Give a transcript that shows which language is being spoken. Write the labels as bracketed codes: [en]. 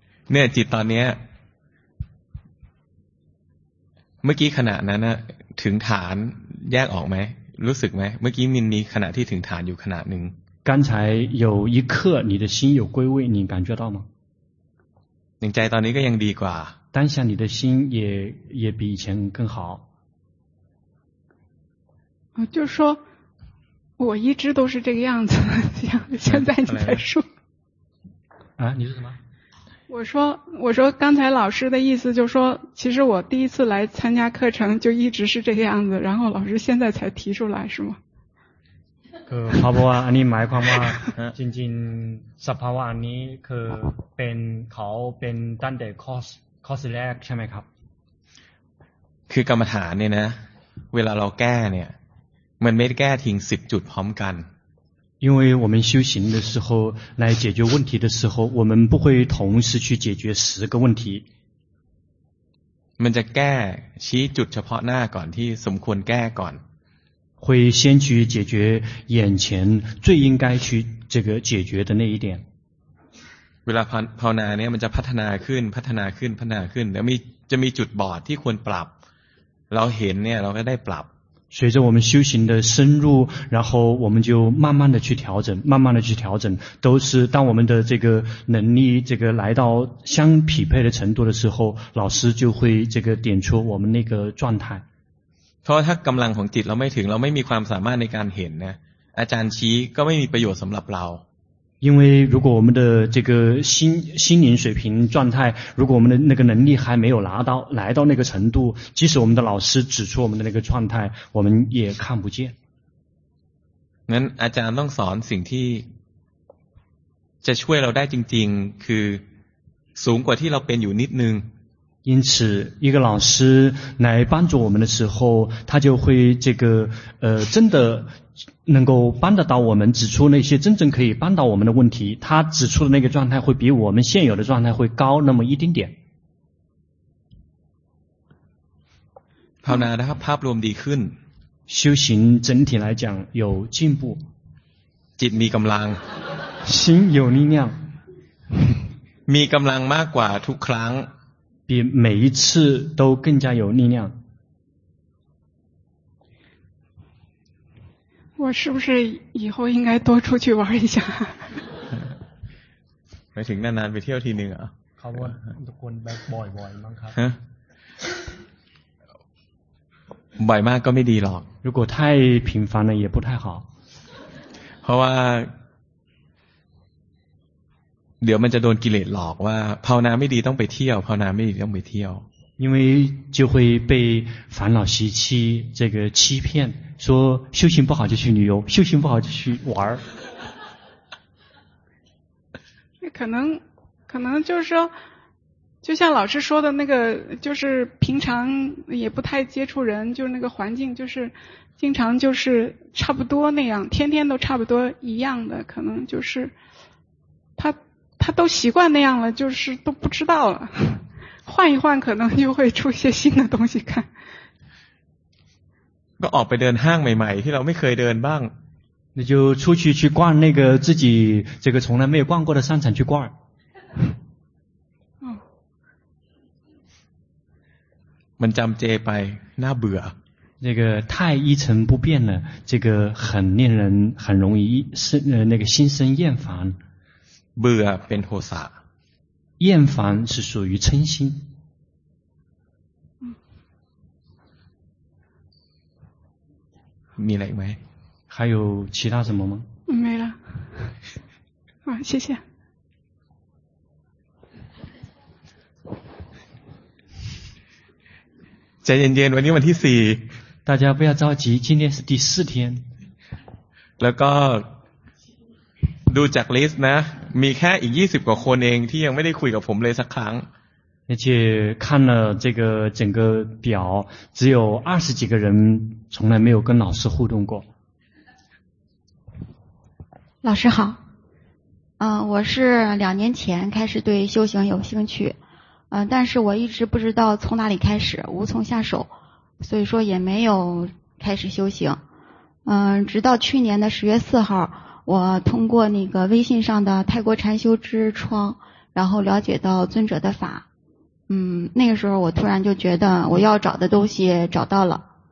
[th] เนี่ยจิตตอนเนี้ยเมื่อกี้ขณะนั้นนะถึงฐานแยกออกไหมรู้สึกไหมเมื่อกี้มินนี่ขณะที่ถึงฐานอยู่ขณะหนึ่ง [zh] 刚才有一刻你的心有归位你感觉到吗 [th] ยังใจตอนนี้ก็ยังดีกว่า [zh] 当下你的心也比以前更好就是说我一直都是这个样子现在你在说啊你说什么我说刚才老师的意思就是说其实我第一次来参加课程就一直是这个样子然后老师现在才提出来是吗 [th] คือเขาบอกว่าอันนี้หมายความว่าจริงๆสภาวะอันนี้คือเขาเป็นตั้งแต่คอร์สแรกใช่ไหมครับ คือกรรมฐานเนี่ยนะเวลาเราแก้เนี่ยมันไม่ได้แก้ทิ้ง10จุดพร้อมกัน [zh] 因为我们修行的时候来解决问题的时候我们不会同时去解决10个问题 [th] มันจะแก้ชี้จุดเฉพาะหน้าก่อนที่สมควรแก้ก่อน [zh] 会先去解决眼前最应该去这个解决的那一点 [th] เวลาภาวนาเนี่ยมันจะพัฒนาขึ้นพัฒนาขึ้นพัฒนาขึ้นแล้วมีจะมีจุดบอดที่ควรปรับเราเห็นเนี่ยเราก็ได้ปรับ [zh] 随着我们修行的深入然后我们就慢慢的去调整慢慢的去调整都是当我们的这个能力这个来到相匹配的程度的时候老师就会这个点出我们那个状态 [th] เพราะถ้ากำลังของจิตเราไม่ถึงเราไม่มีความสามารถในการเห็นนะอาจารย์ชี้ก็ไม่มีประโยชน์สำหรับเรา [zh] 因为如果我们的这个心灵水平状态如果我们的那个能力还没有来到那个程度即使我们的老师指出我们的那个状态我们也看不见 [th] งั้นอาจารย์ต้องสอนสิ่งที่จะช่วยเราได้จริงๆคือสูงกว่าที่เราเป็นอยู่นิดนึง [zh] 因此一个老师来帮助我们的时候，他就会这个真的能够帮得到我们，指出那些真正可以帮到我们的问题，他指出的那个状态会比我们现有的状态会高那么一丁点。 [th] ภาวนาแล้วครับภาพรวมดีขึ้น [zh] 修行整体来讲有进步 [th] จิตมีกำลัง [zh] 心有力量 [th] มีกำลังมากกว่าทุกครั้ง [zh] 比每一次都更加有力量我是不是以后应该多出去玩一下 [th] ไปถึงนานๆไปเที่ยวทีนึงเหรอ เขาว่าทุกคนแบบบ่อยๆมั้งครับ บ่อยมากก็ไม่ดีหรอก [zh] 如果太频繁了也不太好 [th] เพราะว่าเดี๋ยวมันจะโดนกิเลสหลอกว่าภาวนาไม่ดีต้องไปเที่ยวภาวนาไม่ดีต้องไปเที่ยว [zh] 因为就会被烦恼习气这个欺骗说修行不好就去旅游修行不好就去玩可能就是说就像老师说的那个就是平常也不太接触人就是那个环境就是经常就是差不多那样天天都差不多一样的可能就是他都习惯那样了就是都不知道了换一换可能就会出现新的东西看 [th] ก็ออกไปเดินห้างใหม่ๆที่เราไม่เคยเดินบ้าง [zh] 那就出去去逛那个自己这个从来没有逛过的商场去逛 [th] มันจำเจไปน่าเบื่อ [zh] 那个太一成不变了这个很令人很容易那个心生厌烦 [th] เบื่อเป็นโทสะ [zh] 厌烦是属于嗔心 [th] มีอะไรไหม [zh] 还有其他什么吗没了啊谢谢 [th] ใจเย็นๆวันนี้วันที่สี่ [zh] 大家不要着急今天是第四天 [th] แล้วก็ดูจากลิสต์นะมีแค่อีก20กว่าคนเองที่ยังไม่ได้คุยกับผมเลยสักครั้ง [zh] 而且看了这个整个表只有20几个人从来没有跟老师互动过老师好我是两年前开始对修行有兴趣但是我一直不知道从哪里开始无从下手所以说也没有开始修行直到去年的10月4号我通过那个微信上的泰国禅修之窗然后了解到尊者的法那个时候我突然就觉得我要找的东西找到了